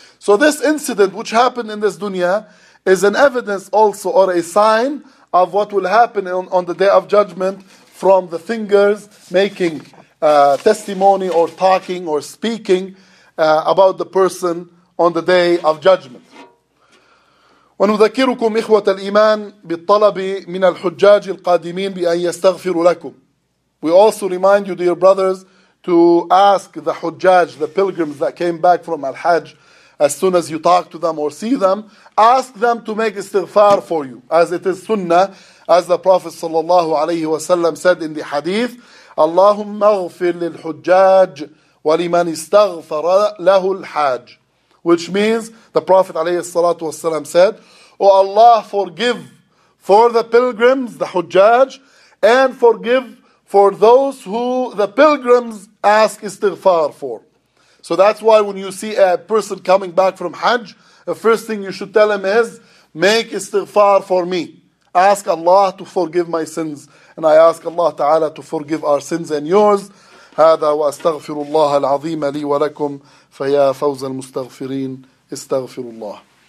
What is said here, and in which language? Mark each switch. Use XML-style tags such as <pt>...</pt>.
<en>So this incident which happened in this dunya is an evidence also or a sign of what will happen on the day of judgment from the fingers making testimony or talking or speaking about the person on the day of judgment.</en> <ar>ونذكركم إخوة الإيمان بالطلب من الحجاج القادمين بأن يستغفروا لكم.</ar> <en>We also remind you, dear brothers, to ask the حجاج, the pilgrims that came back from Al-Hajj, as soon as you talk to them or see them, ask them to make istighfar for you, as it is sunnah, as the Prophet</en> <ar>صلى الله عليه وسلم</ar> <en>said in the hadith,</en> <ar>اللهم اغفر للحجاج ولمن استغفر له الحاج.</ar> <en>Which means, the Prophet ﷺ said, O Allah, forgive for the pilgrims, the hujjaj, and forgive for those who the pilgrims ask istighfar for. So that's why when you see a person coming back from Hajj, the first thing you should tell him is, make istighfar for me. Ask Allah to forgive my sins. And I ask Allah Ta'ala to forgive our sins and yours.</en> <ar>هذا وأستغفر الله العظيم لي ولكم فيا فوز المستغفرين استغفر الله.</ar>